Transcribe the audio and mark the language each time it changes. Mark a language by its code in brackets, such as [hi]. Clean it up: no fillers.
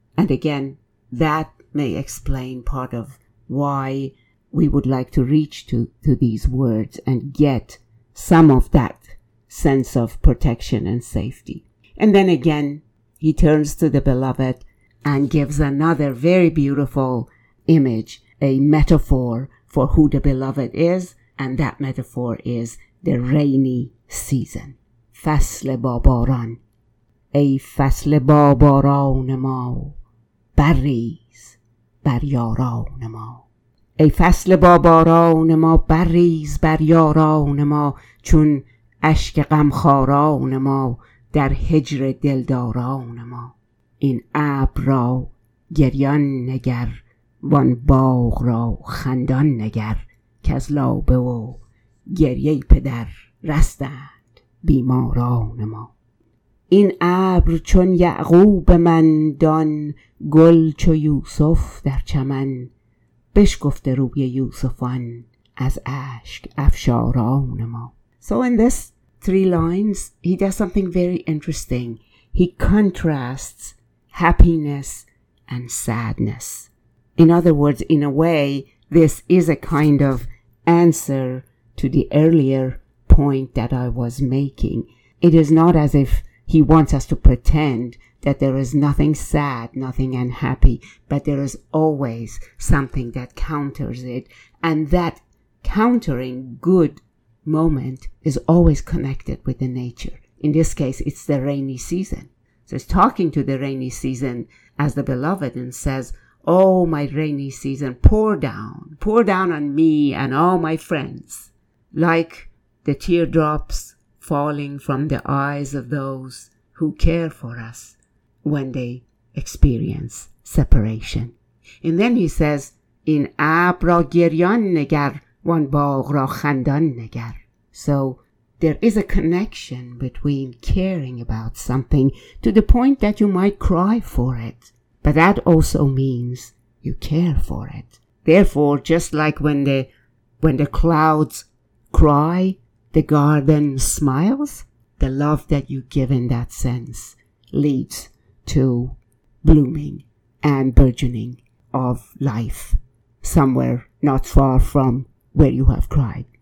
[en] And again, that may explain part of why we would like to reach to these words and get some of that sense of protection and safety. And then again, he turns to the beloved and gives another very beautiful image, a metaphor for who the beloved is, and that metaphor is the rainy season. [fa] فصل باباران. ای فصل باباران ما، بریز بر یاران ما. ای فصل باباران ما، بریز بر یاران ما، چون عشق غمخاران ما در هجر دلداران ما. این ابر را گریان نگر، وان باغ را خندان نگر، که از لابه و گریه پدر رستند بیماران ما. این ابر چون یعقوب من، دان گل چو یوسف در چمن، بشکفته روی یوسفان از اشک افشاران ما. [en] So in this three lines, he does something very interesting. He contrasts happiness and sadness. In other words, in a way, this is a kind of answer to the earlier point that I was making. It is not as if he wants us to pretend that there is nothing sad, nothing unhappy, but there is always something that counters it. And that countering good moment is always connected with the nature. In this case, it's the rainy season. So he's talking to the rainy season as the beloved and says, oh, my rainy season, pour down on me and all my friends, like the teardrops falling from the eyes of those who care for us when they experience separation. And then he says, in [fa] ابر را گریان نگر، وان باغ را خندان نگر. [en] So there is a connection between caring about something to the point that you might cry for it. But that also means you care for it. Therefore, just like when the clouds cry, the garden smiles, the love that you give in that sense leads to blooming and burgeoning of life somewhere not far from where you have cried.